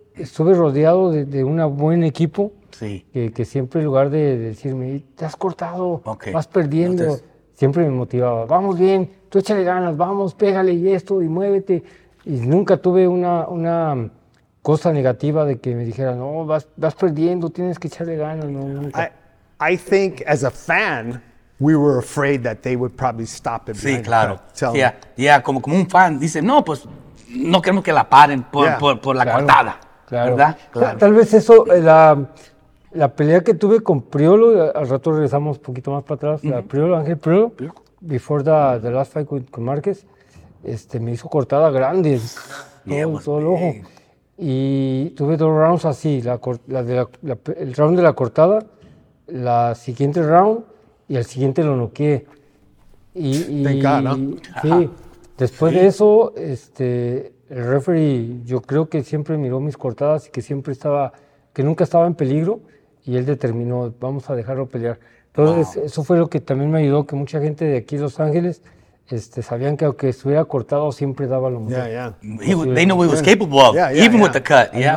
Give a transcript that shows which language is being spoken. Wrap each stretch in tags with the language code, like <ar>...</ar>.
<es>Estuve rodeado de un buen equipo que siempre en lugar de decirme, te has cortado, vas perdiendo, siempre me motivaba, vamos bien, tú échale ganas, vamos, pégale y esto y muévete. Y nunca tuve una cosa negativa de que me dijera, no, vas perdiendo, tienes que echarle ganas. No, nunca.</es> <en>I think as a fan, we were afraid that they would probably stop it.</en> <es>Sí, claro. Como un fan dice, no, pues no queremos que la paren por la cortada. Claro. ¿Verdad? Claro. Tal vez eso, la pelea que tuve con Priolo, al rato regresamos un poquito más para atrás, la Priolo, Ángel Priolo,</es> <en>before the last fight</en> <es>con Márquez, me hizo cortada grande, todo el ojo. Y tuve dos rounds así, el round de la cortada, la siguiente round, y al siguiente lo noqueé. Y sí, después de eso, el referee, yo creo que siempre miró mis cortadas y que siempre estaba, que nunca estaba en peligro, y él determinó, vamos a dejarlo pelear. Entonces, eso fue lo que también me ayudó, que mucha gente de aquí en Los Ángeles sabían que aunque estuviera cortado, siempre daba lo mejor.</es> <en>They know he was capable of, with the cut.</en>